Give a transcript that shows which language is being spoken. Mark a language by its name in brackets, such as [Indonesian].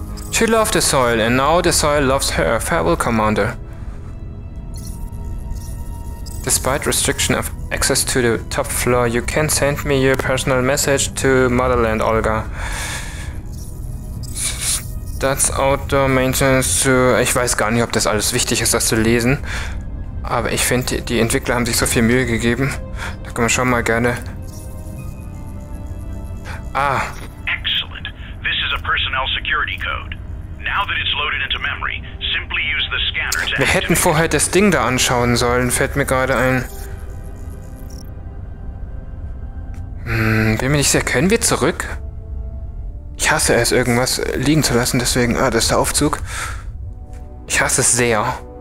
[English] She loved the soil and now the soil loves her. Farewell, Commander. Despite restriction of access to the top floor, you can send me your personal message to Motherland, Olga. That's outdoor maintenance to... [German] Ich weiß gar nicht, ob das alles wichtig ist, das zu lesen. Aber ich finde, die Entwickler haben sich so viel Mühe gegeben. Da können wir schon mal gerne... Ah. [English] Excellent. This is a personnel security code. Now that it's loaded into memory, simply use the scanner to... [German] Wir hätten vorher das Ding da anschauen sollen, fällt mir gerade ein. Bin mir nicht sicher, können wir zurück? hasse es, irgendwas liegen zu lassen, deswegen... Ah, das ist der Aufzug. Ich hasse es sehr.